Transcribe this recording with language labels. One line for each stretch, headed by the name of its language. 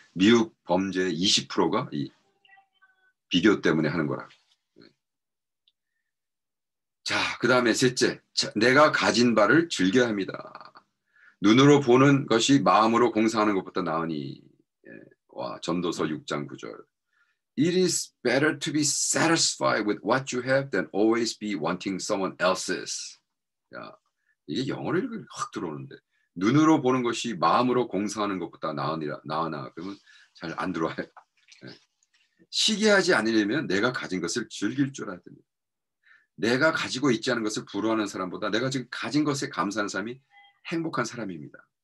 Korean: 미국 범죄의 20%가 이 비교 때문에 하는 거라. 자, 그 다음에 셋째, 내가 가진 바를 즐겨야 합니다. 눈으로 보는 것이 마음으로 공상하는 것보다 나으니. 와, 전도서 6장 9절.
English: It is better to be satisfied with what you have than always be wanting someone else's.
Korean: 야. 이게 영어로 읽으면 확 들어오는데 눈으로 보는 것이 마음으로 공상하는 것보다 나으니라 나으나 그러면 잘안 들어와요. 시기하지 않으려면 내가 가진 것을 즐길 줄 알아야 됩니다. 내가 가지고 있지 않은 것을 부러워하는 사람보다 내가 지금 가진 것에 감사하는 사람이 행복한 사람입니다.